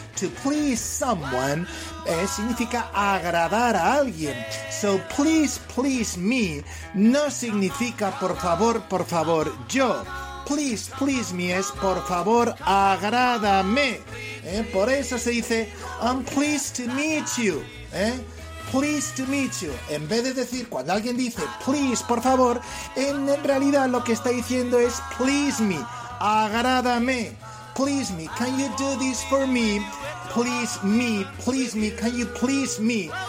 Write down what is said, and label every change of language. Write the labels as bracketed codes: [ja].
[en] To please someone [es] significa agradar a alguien. [en] So please, please me [es] no significa por favor, yo. [en] Please, please me [es] es por favor, agrádame. Por eso se dice, [en] I'm pleased to meet you. Please to meet you. [es] En vez de decir, cuando alguien dice, please, por favor, en realidad lo que está diciendo es, [en] please me, [es] agrádame. [en] Please me, can you do this for me? Please me, can you please me?